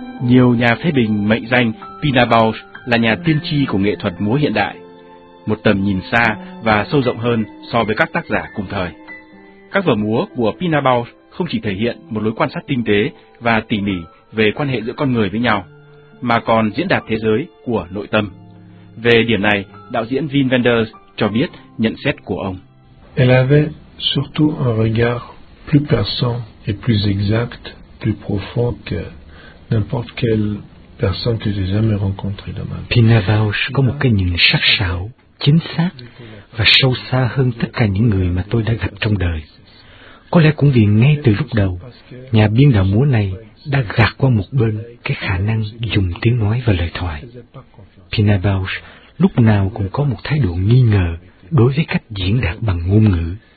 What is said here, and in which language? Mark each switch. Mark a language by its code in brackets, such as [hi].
[vi] Nhiều nhà phê bình mệnh danh Pina Bausch là nhà tiên tri của nghệ thuật múa hiện đại, một tầm nhìn xa và sâu rộng hơn so với các tác giả cùng thời. Các vở múa của Pina Bausch không chỉ thể hiện một lối quan sát tinh tế và tỉ mỉ về quan hệ giữa con người với nhau, mà còn diễn đạt thế giới của nội tâm. Về điểm này, đạo diễn Wim Wenders cho biết nhận xét của ông. [fr] Elle avait surtout un regard plus perçant et plus exact, plus profond que n'importe quelle personne que j'ai jamais rencontrée dans ma vie. [vi] Pina Bausch có một cái nhìn sắc sảo, chính xác và sâu xa hơn tất cả những người mà tôi đã gặp trong đời. Có lẽ cũng vì ngay từ lúc đầu, nhà biên đạo múa này đã gạt qua một bên cái khả năng dùng tiếng nói và lời thoại. Pina Bausch lúc nào cũng có một thái độ nghi ngờ đối với cách diễn đạt bằng ngôn ngữ.